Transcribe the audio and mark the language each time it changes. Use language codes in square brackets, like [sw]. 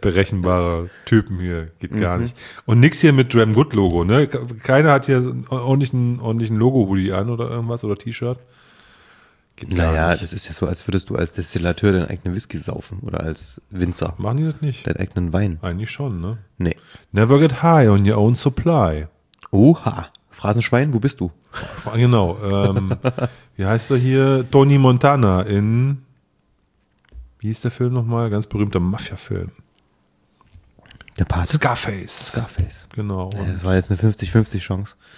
[de] Berechenbare Typen hier, geht gar nicht. Und nix hier mit Dram Good Logo, ne? Keiner hat hier einen ordentlichen Logo-Hoodie an oder irgendwas oder T-Shirt. Geht gar nicht. Das ist ja so, als würdest du als Destillateur deinen eigenen Whisky saufen oder als Winzer. Machen die das nicht? Deinen eigenen Wein. Eigentlich schon, ne? Nee. [en] Never get high on your own supply. [de] Oha. Phrasenschwein, wo bist du? Genau. wie heißt er hier? Tony Montana in. Wie hieß der Film nochmal? Ganz berühmter Mafia-Film. Der Pate? Scarface. Genau. Das war jetzt eine 50-50-Chance.